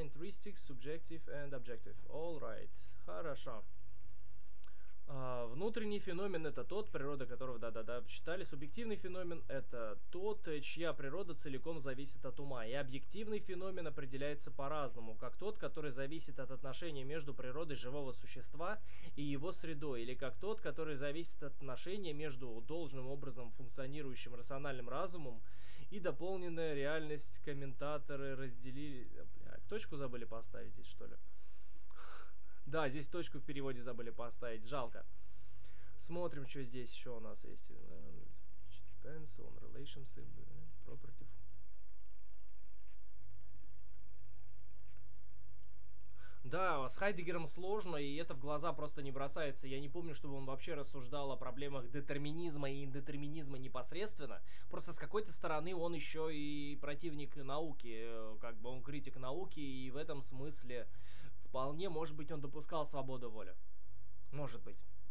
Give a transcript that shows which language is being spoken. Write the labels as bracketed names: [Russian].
[English] Intrinsic, subjective and objective. All right. [Russian] Хорошо. Внутренний феномен – это тот, природа которого, да-да-да, читали. Субъективный феномен – это тот, чья природа целиком зависит от ума. И объективный феномен определяется по-разному, как тот, который зависит от отношения между природой живого существа и его средой, или как тот, который зависит от отношения между должным образом функционирующим рациональным разумом и дополненная реальность. Комментаторы разделили... Блядь, точку забыли поставить здесь, что ли? Да, здесь точку в переводе забыли поставить. Жалко. Смотрим, что здесь еще у нас есть. [English] Which depends on relations in the property. [Russian] Да, с Хайдеггером сложно, и это в глаза просто не бросается. Я не помню, чтобы он вообще рассуждал о проблемах детерминизма и индетерминизма непосредственно. Просто с какой-то стороны он еще и противник науки. Как бы он критик науки, и в этом смысле... Вполне, может быть, он допускал свободу воли. Может быть.